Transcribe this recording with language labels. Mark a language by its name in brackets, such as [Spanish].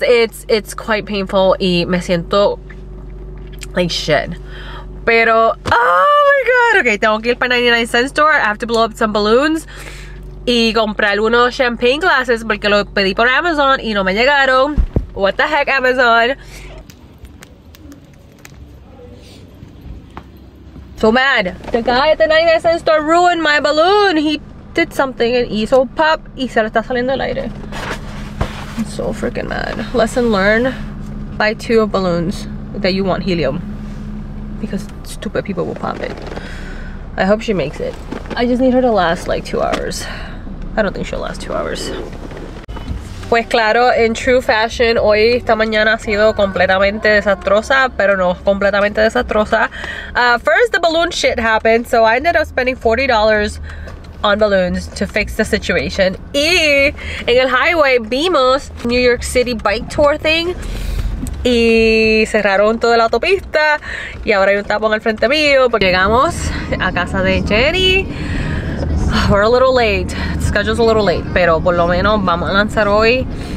[English] It's quite painful [Spanish] y me siento [English] like shit. Pero oh my god. [Spanish] Okay, tengo que ir para 99 cent store. [English] I have to blow up some balloons [Spanish] y comprar unos champagne glasses porque lo pedí por Amazon y no me llegaron. [English] What the heck, Amazon? So mad. The guy at the 99 cent store ruined my balloon. He did something and [Spanish] hizo pop y se le está saliendo el aire. [English] I'm so freaking mad. Lesson learned. Buy two of balloons that you want helium. Because stupid people will pop it. I hope she makes it. I just need her to last like 2 hours. I don't think she'll last 2 hours. [Spanish] Pues claro, en true fashion, hoy, esta mañana ha sido completamente desastrosa, pero no completamente desastrosa. [English] First, the balloon shit happened, so I ended up spending $40 on balloons to fix the situation. [Spanish] Y en el highway vimos New York City bike tour thing, y cerraron toda la autopista, y ahora hay un tapón al frente mío. Llegamos a casa de Jenny. [English] We're a little late. Schedule's a little late, [Spanish] pero por lo menos vamos a lanzar hoy.